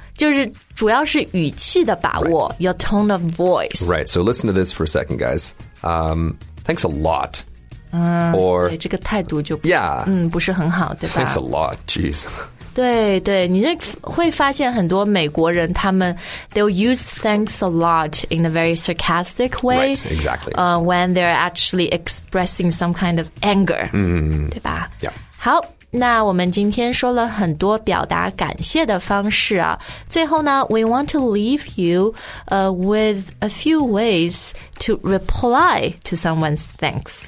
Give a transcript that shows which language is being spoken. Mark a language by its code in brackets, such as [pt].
[zh] 就是主要是语气的把握、 [en] right. your tone of voice. Right. So listen to this for a second, guys. Thanks a lot. Or [zh] 对这个态度就 [en] yeah, [zh] 不是很好，对吧 [en] ？Thanks a lot. Jeez. [zh] 对对，你是会发现很多美国人他们 [en] they'll use thanks a lot in a very sarcastic way. Right. Exactly. When they're actually expressing some kind of anger. [zh] 对吧 [en] ？Yeah. [zh] 好。那我们今天说了很多表达感谢的方式啊。最后呢 [en] ,we want to leave you, with a few ways to reply to someone's thanks.